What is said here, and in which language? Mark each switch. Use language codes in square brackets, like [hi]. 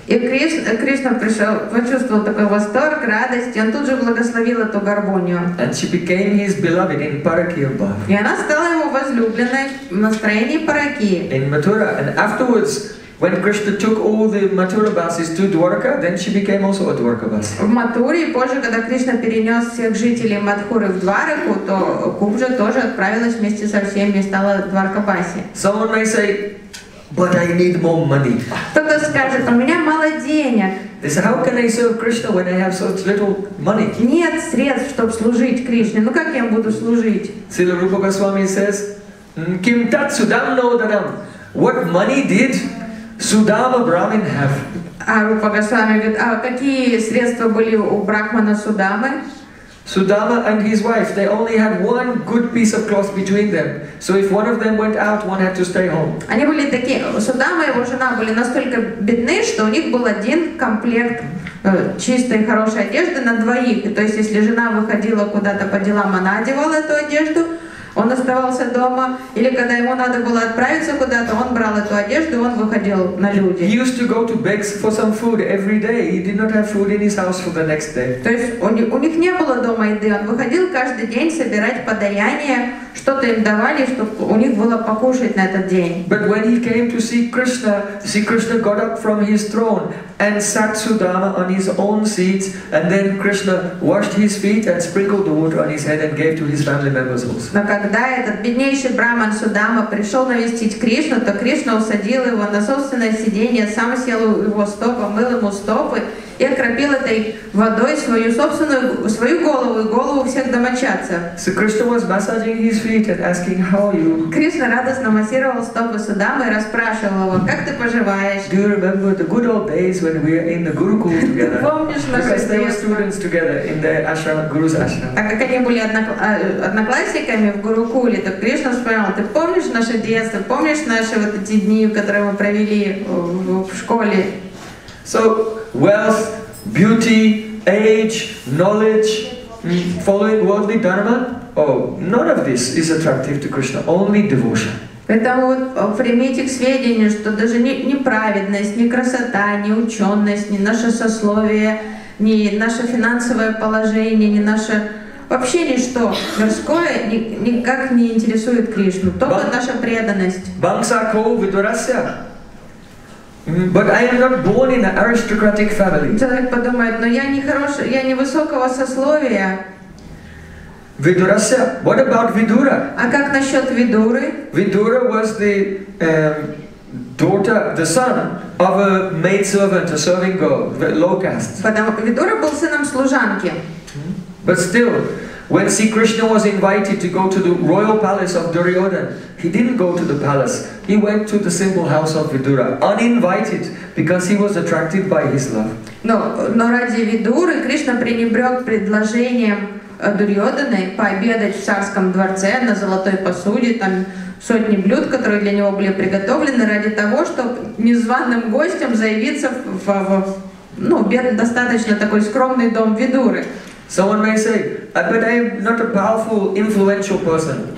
[ru] И Кришна пришел, почувствовал такой восторг, радость, и он тут же благословил эту горбунью. [en] And she became his beloved in Parakiya Bhav. [ru] И она стала его возлюбленной в настроении Паракии. [en] In Mathura and afterwards. When Krishna took all the Mathura Vasis to Dwarka, then she became also a Dwarka Vasi. [ru] В Матуре, позже, когда Кришна перенес всех жителей Матхуры в Двараку, то Кубджа тоже отправилась вместе со всеми и стала Дварка Васи. [en] Someone may say, but I need more money. [ru] Кто-то скажет, у меня мало денег. [en] They say, how can I serve Krishna when I have such little money? [ru] Нет средств, чтобы служить Кришне. Ну как я буду служить? [en] Srila Rupa Goswami says, [sa] kim tat sudam nodaram. [en] What money did Sudama Brahmin have? [ru] А Рупа Госвами говорит, а какие средства были у Брахмана Судамы? [en] Sudama and his wife, they only had one good piece of cloth between them. So if one of them went out, one had to stay home. [ru] Они были такие, Судама и его жена были настолько бедны, что у них был один комплект чистой хорошей одежды на двоих. То есть если жена выходила куда-то по делам, она одевала эту одежду. Он оставался дома, или когда ему надо было отправиться куда-то, он брал эту одежду, он выходил на люди. [en] He used to go to beg for some food every day. He did not have food in his house for the next day. [ru] То есть у них не было дома еды, он выходил каждый день собирать подаяние, что-то им давали, чтобы у них было покушать на этот день. [en] But when he came to see Krishna got up from his throne and sat Sudama on his own seats, and then Krishna washed his feet and sprinkled the water on his head and gave to his family members also. [ru] Но когда этот беднейший браман Судама пришел навестить Кришну, то Кришна усадил его на собственное сиденье, сам сел у его стопа, мыл ему стопы и окропил этой водой свою собственную, свою голову и голову всех домочадцев. [en] So Krishna was massaging his feet and asking, how are you? [ru] Кришна радостно массировал стопы Судамы и расспрашивал его, как ты поживаешь? [en] Do you remember the good old days when we were in the Gurukul together? [ru] Ты помнишь наши [en] Because they were students together in the ashram, Guru's ashram. [ru] Так как они были одноклассниками в Гурукуле, то Кришна вспоминал, ты помнишь наше детство, помнишь наши вот эти дни, которые мы провели в школе? [en] So, wealth, beauty, age, knowledge, following worldly dharma, none of this is attractive to Krishna, only devotion. [ru] Поэтому примите к сведению, что даже ни праведность, ни красота, ни ученость, ни наше сословие, ни наше финансовое положение, ни наше... Вообще ничто мирское никак не интересует Кришну, только наша преданность. [sa] Бангса коу видурасья. [en] But I am not born in an aristocratic family. [ru] Человек подумает, но я не хороший, я не высокого сословия. [en] Видурасья. What about Vidura? [ru] А как насчет Видуры? [en] Vidura was the daughter, the son of a maid servant, a serving girl, the low caste. [ru] Потому Видура был сыном служанки. [en] But still, when Sri Krishna was invited to go to the royal palace of Duryodhan, he didn't go to the palace. He went to the simple house of Vidura, uninvited, because he was attracted by his love. [ru] Но ради Видуры Кришна пренебрег предложением Дурьодханы пообедать в царском дворце на золотой посуде, там сотни блюд, которые для него были приготовлены, ради того, чтобы незваным гостям заявиться достаточно такой скромный дом Видуры. [en] Someone may say, but I am not a powerful, influential person.